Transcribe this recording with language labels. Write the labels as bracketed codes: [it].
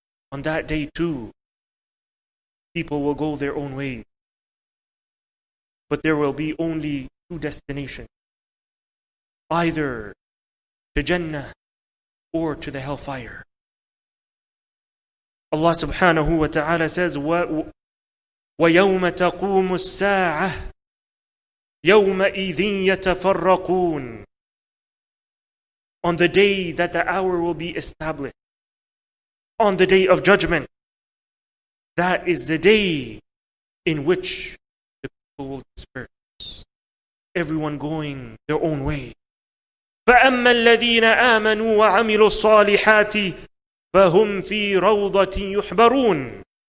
[en] On that day too, people will go their own way. But there will be only two destinations, either to Jannah or to the hellfire. [ar] Allah subhanahu wa ta'ala says, وَيَوْمَ تَقُومُ السَّاعَةِ يَوْمَ إِذٍ يَتَفَرَّقُونَ. [en] On the day that the hour will be established, on the day of judgment, that is the day in which the people will disperse, everyone going their own way. [ar] فَأَمَّا الَّذِينَ آمَنُوا وَعَمِلُوا الصَّالِحَاتِ فَهُمْ فِي رَوْضَةٍ يُحْبَرُونَ.